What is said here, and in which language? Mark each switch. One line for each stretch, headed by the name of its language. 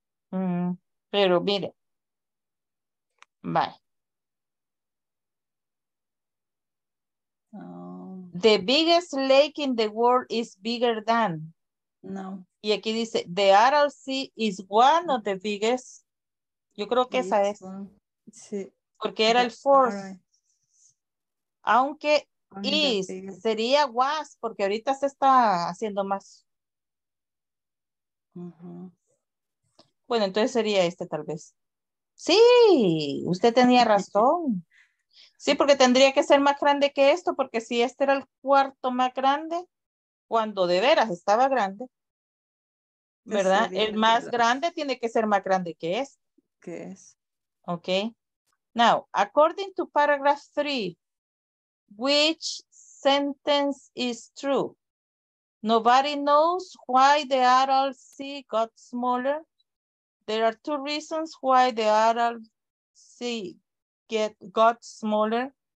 Spanish: Pero mire, bye.
English: The biggest lake in the world is bigger than.
Spanish: No. Y aquí dice, the Aral Sea is one of the biggest. Yo creo que esa es. Sí. Porque era el fourth. Aunque is, sería was, porque ahorita se está haciendo más. Bueno, entonces sería este tal vez. Sí, usted tenía razón. Sí, porque tendría que ser más grande que esto, porque si este era el cuarto más grande, cuando de veras estaba grande, ¿verdad? El más grande tiene que ser más grande que este. ¿Qué es? Ok.
English: Now, according to paragraph 3, which sentence is true? Nobody knows why the Aral Sea got smaller. There are two reasons why the Aral Sea got smaller.